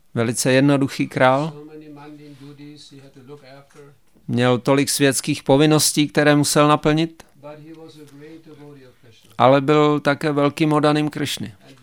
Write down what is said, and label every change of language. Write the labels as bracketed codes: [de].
[cs] Velice jednoduchý král. [en] So many mundane duties he had to look after. [cs] Měl tolik světských povinností, které musel naplnit. [en] But he was a great devotee of Krishna. [cs] Ale byl také velkým oddaným Krishny.